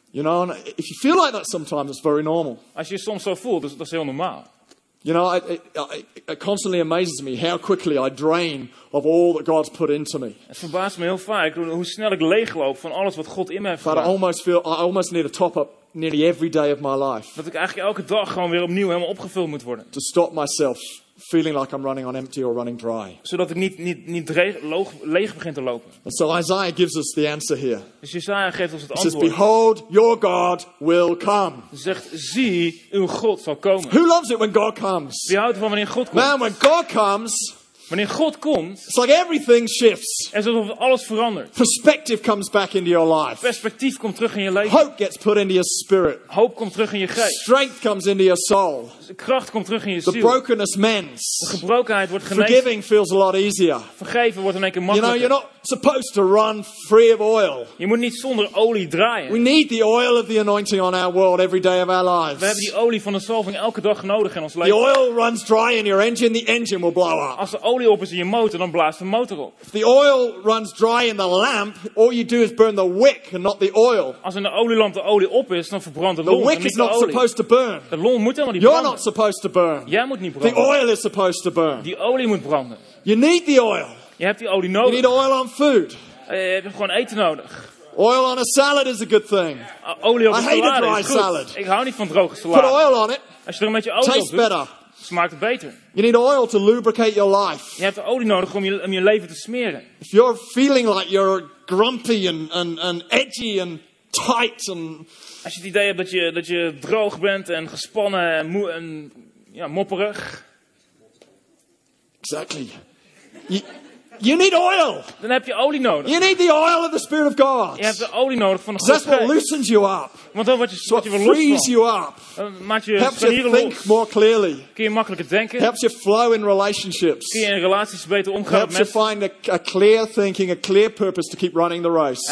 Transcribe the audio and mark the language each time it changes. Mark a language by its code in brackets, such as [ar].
[en] You know, and if you feel like that sometimes, it's very normal. [nl] Als je soms zo voelt, dat is heel normaal. [en] You know, it constantly amazes me how quickly I drain of all that God's put into me. [nl] Het verbaast me heel vaak hoe snel ik leegloop van alles wat God in me heeft. [en] But I almost feel I almost need a top up nearly every day of my life. [nl] Dat ik eigenlijk elke dag gewoon weer opnieuw helemaal opgevuld moet worden. [en] To stop myself feeling like I'm running on empty or running dry. [nl] Zodat ik niet leeg begin te lopen. [en] And so Isaiah gives us the answer here. [nl] Dus Jesaja geeft ons het antwoord. [en] He says, "Behold, your God will come." [nl] Zegt, zie, uw God zal komen. [en] Who loves it when God comes? [nl] Wie houdt ervan wanneer God komt? [en] Man, when God comes. [nl] Wanneer God komt, [en] it's like everything shifts. [nl] Is alsof alles verandert. [en] Perspective comes back into your life. [nl] Perspectief komt terug in je leven. [en] Hope gets put into your spirit. [nl] Hoop komt terug in je geest. [en] Strength comes into your soul. [nl] Kracht komt terug in je ziel. [en] The brokenness mends. [nl] De gebrokenheid wordt genezen. [en] Forgiving feels a lot easier. [nl] Vergeven wordt in één keer makkelijker. [en] You know, you're not supposed to run free of oil. [nl] Je moet niet zonder olie draaien. [en] We need the oil of the anointing on our world every day of our lives. [nl] We hebben die olie van de zalving elke dag nodig in ons leven. [en] The oil runs dry in your engine, the engine will blow up. [nl] Als de olie op is in je motor, dan blaast de motor op. [en] If the oil runs dry in the lamp, all you do is burn the wick and not the oil. [nl] Als in de olielamp de olie op is, dan verbrandt de long. [en] The wick is not supposed to burn. [nl] De long moet helemaal niet [en] You're [nl] branden. [en] Not supposed to burn. [nl] Jij moet niet branden. [en] The oil is supposed to burn. [nl] Die olie moet branden. [en] You need the oil. [nl] Je hebt die olie nodig. [en] You need oil on food. [nl] Je hebt gewoon eten nodig. [en] Oil on a salad is a good thing. [nl] Olie op [en] I hate a dry salad. [nl] Ik hou niet van droge salade. [en] Put oil on it. [nl] Als je er een beetje olie [en] Tastes [nl] op doet, [en] better. [nl] Smaakt het beter. [en] You need oil to lubricate your life. [nl] Je hebt olie nodig om je leven te smeren. [en] If you're feeling like you're grumpy and edgy and tight and [nl] Als je het idee hebt dat je droog bent en gespannen en moe en ja, mopperig. [en] Exactly. You need oil. [nl] Dan heb je olie nodig. [en] You need the oil of the Spirit of God. [nl] Je hebt de olie nodig van de God. [en] That's what loosens you up. [nl] Want dan wordt je weer los. [en] Frees you up. [nl] Maakt je [en] Helps you think [nl] los. [en] More clearly. [nl] Kun je makkelijker denken. [en] Helps you flow in relationships. [nl] Kun je in relaties beter omgaan [en] Helps [nl] met mensen. [en] Helps you find a clear thinking, a clear purpose to keep running the race.